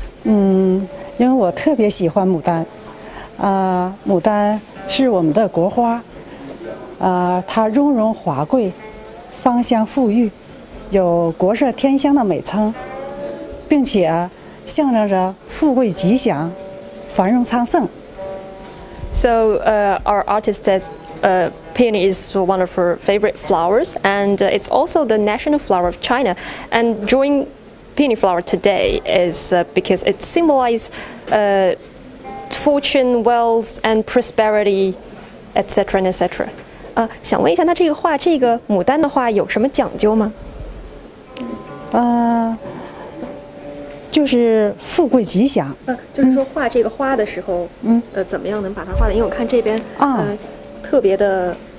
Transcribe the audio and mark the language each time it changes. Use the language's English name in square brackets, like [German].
[Chinese] 因为我特别喜欢牡丹。牡丹是我们的国花。它雍容华贵，芳香馥郁，有国色天香的美称，并且象征着富贵吉祥。繁荣昌盛。 [English] So our artist says peony is one of her favorite flowers, and it's also the national flower of China. And drawing peony flower today is because it symbolizes fortune, wealth, and prosperity, etc. etc. [Chinese] 想问一下，那这个画这个牡丹的话有什么讲究吗？就是富贵吉祥。就是说画这个花的时候，怎么样能把它画的？因为我看这边特别的，